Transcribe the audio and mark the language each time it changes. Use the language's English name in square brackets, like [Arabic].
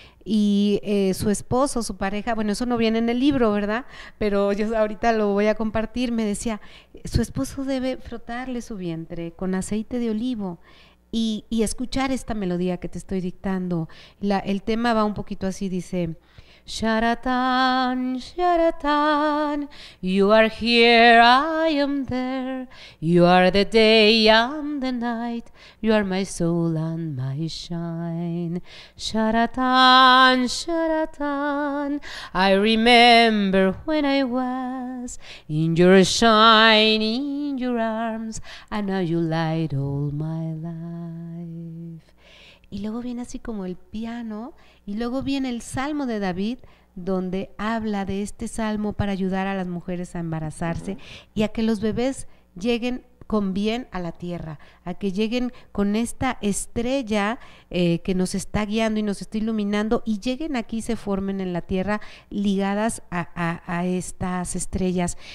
[Spanish] Y su esposo, su pareja, bueno, eso no viene en el libro, ¿verdad? Pero yo ahorita lo voy a compartir. Me decía, su esposo debe frotarle su vientre con aceite de olivo y escuchar esta melodía que te estoy dictando. El tema va un poquito así, dice... [English] Sharatan, Sharatan, you are here, I am there. You are the day and the night. You are my soul and my shine. Sharatan, Sharatan, I remember when I was in your shine, in your arms, and now you light all my life. [Spanish] Y luego viene así como el piano, y luego viene el Salmo de David, donde habla de este salmo para ayudar a las mujeres a embarazarse y a que los bebés lleguen con bien a la tierra, a que lleguen con esta estrella que nos está guiando y nos está iluminando, y lleguen aquí y se formen en la tierra ligadas a estas estrellas.